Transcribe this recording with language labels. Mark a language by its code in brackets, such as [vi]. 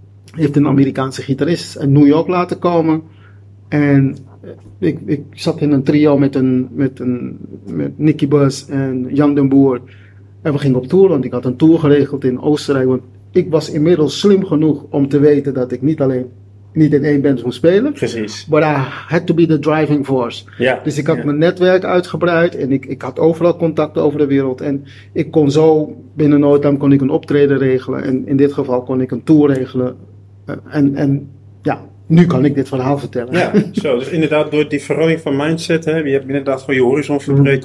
[nl] Hij heeft een Amerikaanse gitarist in New York laten komen. En ik zat in een trio met Nicky Buss en Jan den Boer. En we gingen op tour, want ik had een tour geregeld in Oostenrijk. Want ik was inmiddels slim genoeg om te weten dat ik niet in één band moest spelen. Precies. Maar [en] I had to be the driving force. [nl] Ja, dus ik had mijn netwerk uitgebreid. En ik had overal contacten over de wereld. En ik kon zo binnen no time kon ik een optreden regelen. En in dit geval kon ik een tour regelen. En ja, nu kan ik dit verhaal vertellen. Ja, zo. Dus inderdaad, door die verandering van mindset, hè, je hebt inderdaad gewoon je horizon verbreed.